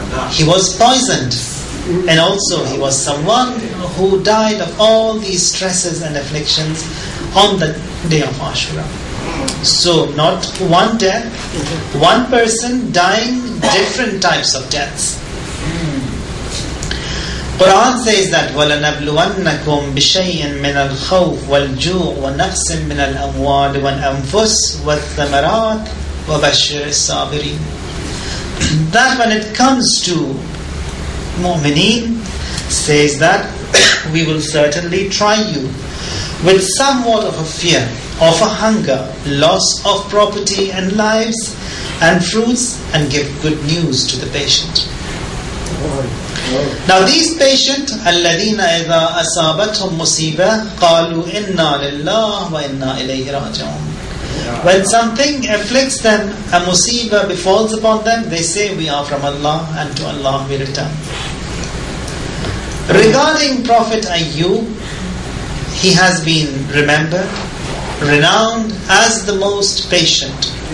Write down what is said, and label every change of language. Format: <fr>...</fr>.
<en>He was poisoned. And also he was someone who died of all these stresses and afflictions on the day of Ashura. So not one death, one person dying different types of deaths. Quran says that</en> <ar>وَلَنَبْلُوَنَّكُمْ بِشَيْءٍ مِنَ الْخَوْفِ وَالْجُوعِ وَنَقْسٍ مِنَ الْأَمْوَالِ وَالْأَنْفُسِ وَالثَّمَرَاتِ وَبَشِّرِ الصَّابِرِينَ.</ar> <en>That when it comes to mu'mineen, says that we will certainly try you with somewhat of a fear, of a hunger, loss of property and lives and fruits, and give good news to the patient. Now these patient,</en> <ar>الَّذِينَ إِذَا أَصَابَتْهُمْ مُصِيبَةٌ قَالُوا إِنَّا لِلَّهِ وَإِنَّا إِلَيْهِ رَاجِعُونَ.</ar> <en>When something afflicts them, a musibah befalls upon them, they say, we are from Allah and to Allah we return. Regarding Prophet Ayyub, he has been remembered, renowned as the most patient.</en>